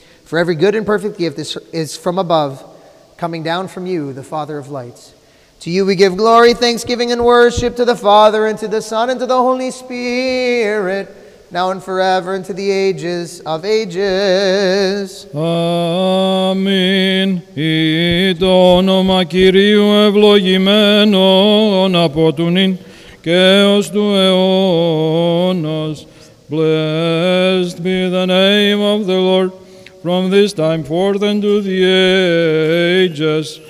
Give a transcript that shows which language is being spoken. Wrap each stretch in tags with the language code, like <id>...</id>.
<en>For every good and perfect gift is from above, coming down from you, the Father of lights. To you we give glory, thanksgiving, and worship, to the Father, and to the Son, and to the Holy Spirit, now and forever, and to the ages of ages. Amen.</en> <el>Το όνομα Κυρίου ευλογημένον από του νυν και ως του αιώνος.</el> <en>Blessed be the name of the Lord from this time forth and to the ages.</en>